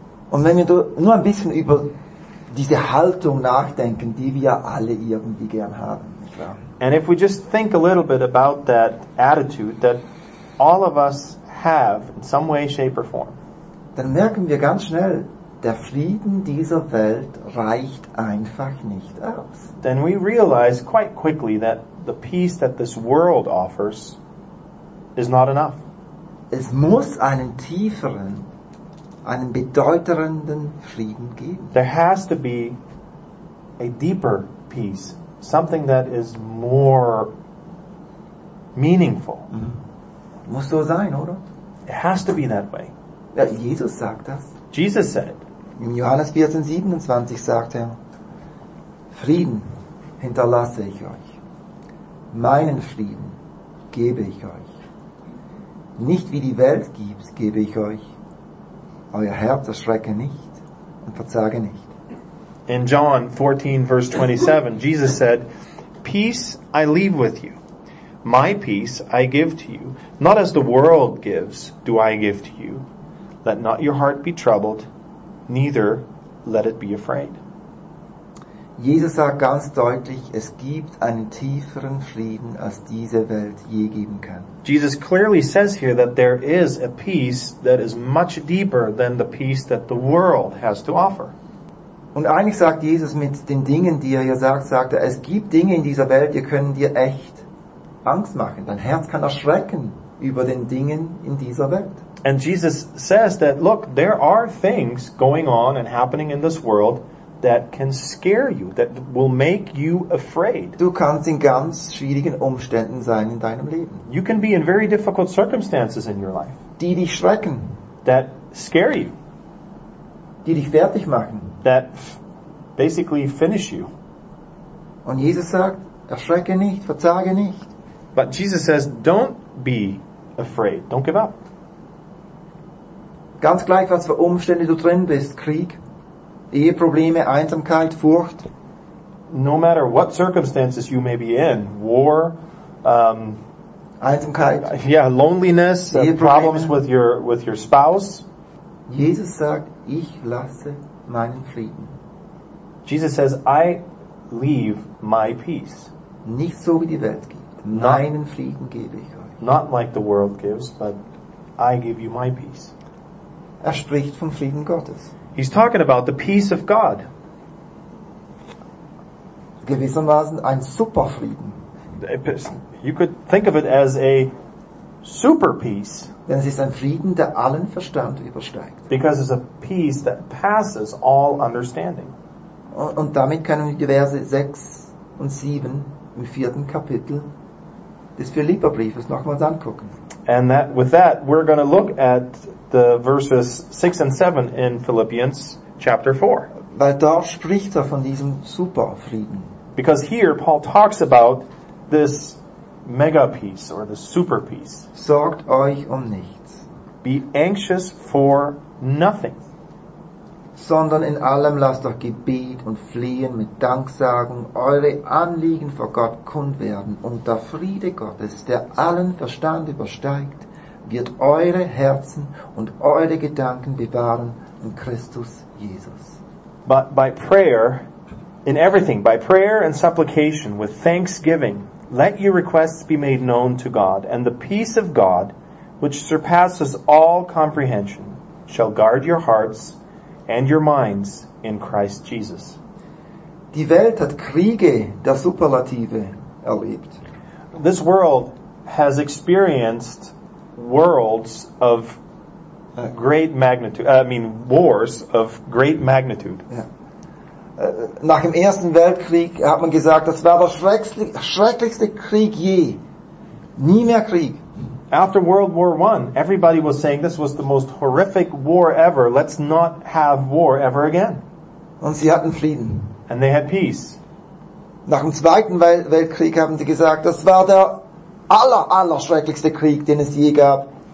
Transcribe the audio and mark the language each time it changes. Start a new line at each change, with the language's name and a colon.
German: Und wenn wir nur ein bisschen über diese Haltung nachdenken, die wir alle irgendwie gern haben.
English: And if we just think a little bit about that attitude that all of us have in some way, shape or form,
German: dann merken wir ganz schnell, der Frieden dieser Welt reicht einfach nicht aus.
English: Then we realize quite quickly that the peace that this world offers is not enough.
German: Es muss einen tieferen, einen bedeutenden Frieden geben.
English: There has to be a deeper peace, something that is more meaningful.
German: Mm-hmm. Muss so sein, oder?
English: It has to be that way.
German: Ja, Jesus sagt das.
English: Jesus said it.
German: In Johannes 14:27 sagt er, Frieden hinterlasse ich euch. Meinen Frieden gebe ich euch. Nicht wie die Welt gibt, gebe ich euch. Euer Herz erschrecke nicht und verzage nicht.
English: In John 14:27, Jesus said, Peace I leave with you. My peace I give to you. Not as the world gives, do I give to you. Let not your heart be troubled, neither let it be afraid.
German: Jesus sagt ganz deutlich, es gibt einen tieferen Frieden, als diese Welt je geben kann.
English: Jesus clearly says here that there is a peace that is much deeper than the peace that the world has to offer.
German: Und eigentlich sagt Jesus mit den Dingen, die er hier sagt, sagt er, es gibt Dinge in dieser Welt, die können dir echt Angst machen. Dein Herz kann erschrecken über den Dingen in dieser Welt.
English: And Jesus says that, look, there are things going on and happening in this world that can scare you, that will make you afraid.
German: Du kannst in ganz schwierigen Umständen sein in deinem Leben.
English: You can be in very difficult circumstances in your life.
German: Die dich schrecken.
English: That scare you.
German: Die dich fertig machen.
English: That basically finish you.
German: Und Jesus sagt, erschrecke nicht, verzage nicht.
English: But Jesus says, don't be afraid, don't give up.
German: Ganz gleich, was für Umstände du drin bist, Krieg, Eheprobleme, Einsamkeit, Furcht.
English: No matter what circumstances you may be in, war,
German: Einsamkeit,
English: yeah, loneliness, problems with your spouse.
German: Jesus sagt, ich lasse meinen Frieden.
English: Jesus says, I leave my peace.
German: Nicht so wie die Welt gibt. Meinen Frieden gebe ich euch.
English: Not like the world gives, but I give you my peace.
German: Er spricht vom Frieden Gottes.
English: He's talking about the peace of God.
German: Gewissermaßen ein Superfrieden.
English: You could think of it as a super peace.
German: Denn es ist ein Frieden, der allen Verstand übersteigt.
English: Because it's a peace that passes all understanding.
German: Und damit können wir die Verse 6 und 7 im vierten Kapitel des Philipperbriefes nochmals angucken.
English: And that, with that, we're going to look at the verses 6 and 7 in Philippians chapter 4.
German: Weil dort spricht er von diesem Superfrieden.
English: Because here Paul talks about this mega peace or the super peace.
German: Sorgt euch um nichts.
English: Be anxious for nothing.
German: Sondern in allem lasst euch Gebet und Flehen mit Danksagung eure Anliegen vor Gott kund werden. Und der Friede Gottes, der allen Verstand übersteigt, wird eure Herzen und eure Gedanken bewahren in Christus Jesus.
English: But by prayer, in everything, by prayer and supplication, with thanksgiving, let your requests be made known to God, and the peace of God, which surpasses all comprehension, shall guard your hearts and your minds in Christ Jesus.
German: Die Welt hat Kriege der Superlative erlebt.
English: This world has experienced worlds of great magnitude, wars of great magnitude. Yeah.
German: nach dem Ersten Weltkrieg hat man gesagt, das war der schrecklichste Krieg je. Nie mehr Krieg.
English: After World War I, everybody was saying this was the most horrific war ever. Let's not have war ever again.
German: Und sie hatten Frieden.
English: And they had peace.
German: Nach dem Zweiten Weltkrieg haben sie gesagt, das war der aller schrecklichste Krieg, den es je gab.